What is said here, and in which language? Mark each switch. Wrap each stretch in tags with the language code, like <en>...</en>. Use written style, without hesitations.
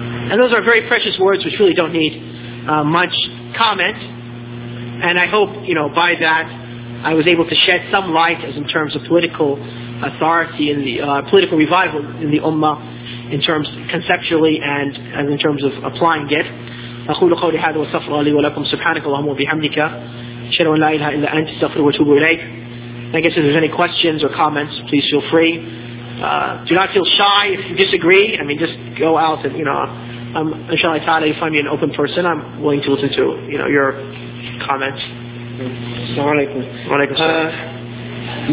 <en>And those are very precious words which really don't need much comment. And I hope, you know, by that I was able to shed some light as in terms of political authority in the political revival in the Ummah, in terms conceptually and in terms of applying it.</en> <ar>أقول قولي هذا وأستغفر الله لي ولكم سبحانك اللهم وبحمدك أشهد أن لا إله إلا أنت أستغفرك وأتوب إليك.</ar> <en>I guess if there's any questions or comments, please feel free. Do not feel shy if you disagree. I mean, just go out and, you know, inshallah ta'ala, you find me an open person, I'm willing to listen to, you know, your comments.</en> <ar>Assalamu alaikum. Wa alaikum salam.</ar>